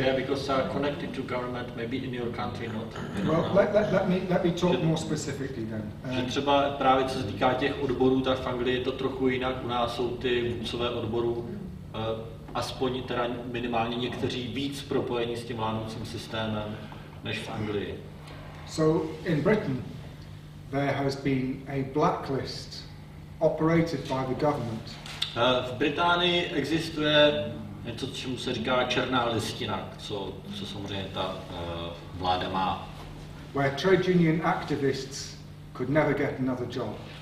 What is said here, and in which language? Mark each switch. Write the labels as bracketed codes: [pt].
[en] Yeah, because they are connected to government, maybe in your country not. Let me talk more specifically then. [cs] Že třeba právě co se týká těch odborů, tak v Anglii je to trochu jinak. U nás jsou ty vůdcové odborů aspoň teda minimálně někteří víc propojení s tím vládnoucím systémem než v Anglii. [en] So in Britain there has been a blacklist operated by the government. [cs] V Británii existuje něco, čemu se říká černá listina, co samozřejmě ta vláda má. [en] Where trade union activists could never get another job.